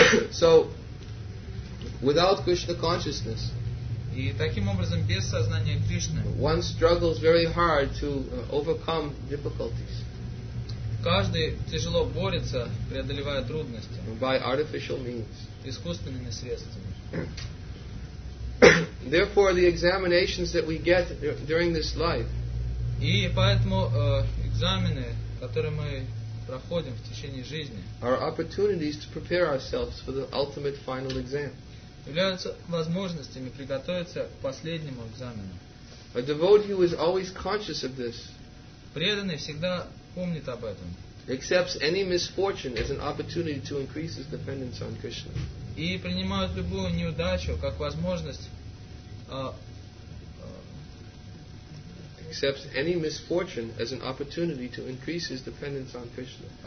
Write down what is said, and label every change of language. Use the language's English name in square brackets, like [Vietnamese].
[English] So, without Krishna consciousness, [Russian] и таким образом, без сознания Кришны, [English] one struggles very hard to overcome difficulties. [Russian] Каждый тяжело борется, преодолевая трудности. [English] By artificial means. [Russian] Искусственными средствами. [English] Therefore, the examinations that we get during this life. [Russian] И поэтому экзамены, которые мы проходим в течение жизни, [English] are opportunities to prepare ourselves for the ultimate final exam. [Russian] Являются возможностями приготовиться к последнему экзамену. [English] A devotee who is always conscious of this. [Russian] Преданный всегда помнит об этом. [English] Accepts any misfortune as an opportunity to increase his dependence on Krishna. [Russian] И принимает любую неудачу как возможность. [English] Accepts any misfortune as an opportunity to increase his dependence on Krishna.